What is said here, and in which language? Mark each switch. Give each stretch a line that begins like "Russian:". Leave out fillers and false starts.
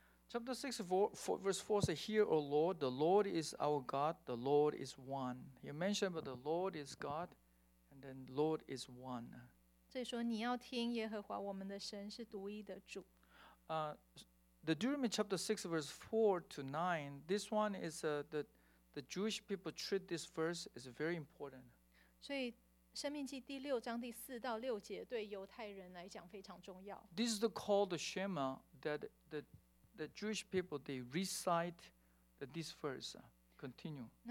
English: Chapter 6, verse 4 says, Hear, O Lord, the Lord is our God, the Lord is one. You mentioned that the Lord is God, and then Lord is one.
Chinese: 这里说你要听耶和华我们的神是独一的主。
English: The Deuteronomy chapter 6, verse 4 to 9, this one is the Jewish people treat this verse as very important.
Chinese: 所以生命记第六章第四到六节对犹太人来讲非常重要。
English: This is called the Shema that the Jewish people, they recite this verse, continue.